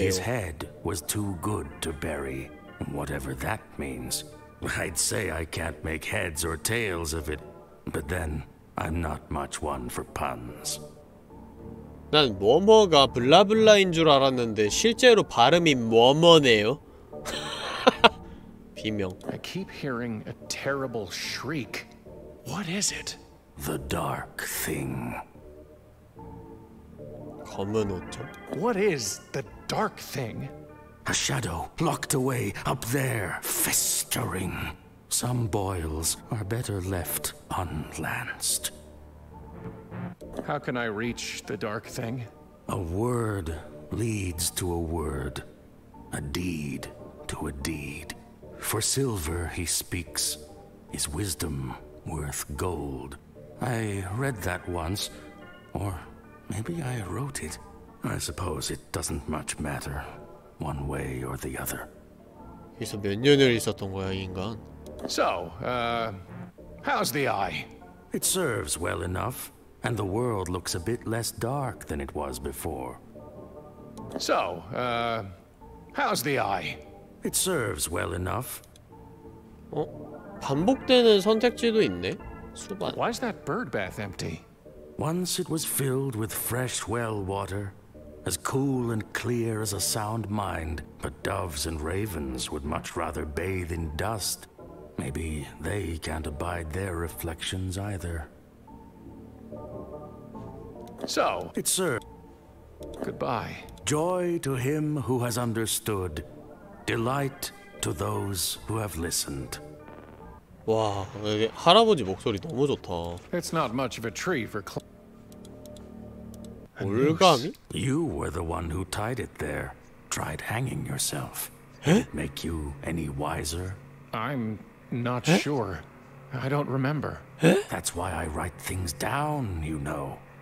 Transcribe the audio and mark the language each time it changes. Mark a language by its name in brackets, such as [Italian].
[English] His head was too good to bury, whatever that means. I'd say I can't make heads or tails of it, but then I'm not much one for puns. [Korean] 난 뭐뭐가 블라블라인 줄 알았는데 실제로 발음이 뭐뭐네요. 비명. [English] I keep hearing a terrible shriek. What is it? The dark thing. [Korean] 검은 옷점? [English] What is the dark thing? A shadow locked away up there, festering. Some boils are better left unlanced. How can I reach the dark thing? A word leads to a word, a deed to a deed. For silver he speaks, his wisdom worth gold. I read that once, or maybe I wrote it. I suppose it doesn't much matter, one way or the other. [Korean] 그래서 몇 년을 있었던 거야, 인간? [English] So, how's the eye? It serves well enough, and the world looks a bit less dark than it was before. So, how's the eye? It serves well enough. 어? [Korean] 반복되는 선택지도 있네. 수반. [English] Why is that bird bath empty? Once it was filled with fresh well water, as cool and clear as a sound mind, but doves and ravens would much rather bathe in dust. Maybe they can't abide their reflections either. So, it's sir. Goodbye. Joy to him who has understood. Delight to those who have listened. [Korean] 와, 할아버지 목소리 너무 좋다. [English] It's not much of a tree for [Korean] 올가미? [English] You were the one who tied it there. Tried hanging yourself. Make you any wiser? I'm not sure. I don't remember. That's why I write things down, you know.